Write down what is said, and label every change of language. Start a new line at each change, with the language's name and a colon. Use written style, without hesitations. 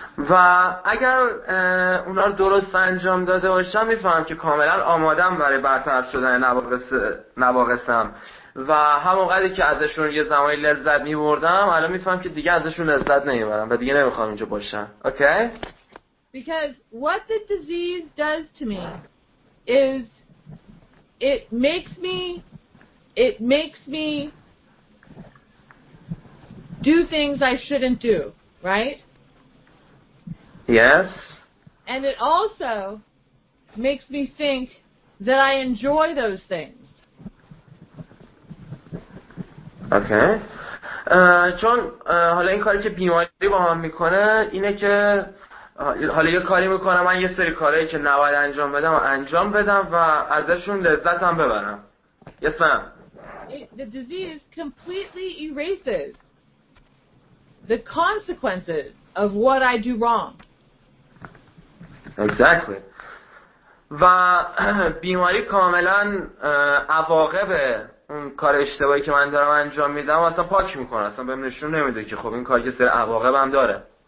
Persian: و اگر اونا رو درست انجام داده باشم میفهمم که کاملا آمادم برای برطرف شدن نواقصم و همونقدر که ازشون یه زمانی لذت میبردم الان میفهمم که دیگه ازشون لذت نمیبرم و دیگه نمیخوام اونجا باشم.
English: Okay? Because what the disease does to me is it makes me do things I shouldn't do, right? Yes. And it also makes me think that I enjoy those things. Okay.
Persian: چون حالا این کاری که بیماری با من میکنه اینه که حالا یه کاری میکنم، من یه سری کارهایی که نباید انجام بدم و انجام بدم و ازشون لذت هم ببرم.
English: Yes, ma'am. The disease completely erases the consequences of what I do wrong. Exactly.
Persian: و بیماری کاملا عواقب اون کار اشتباهی که من دارم انجام میدم اصلا پاک میکنه، اصلا بهم نشون نمیده که خب این کار یه سری عواقب هم داره.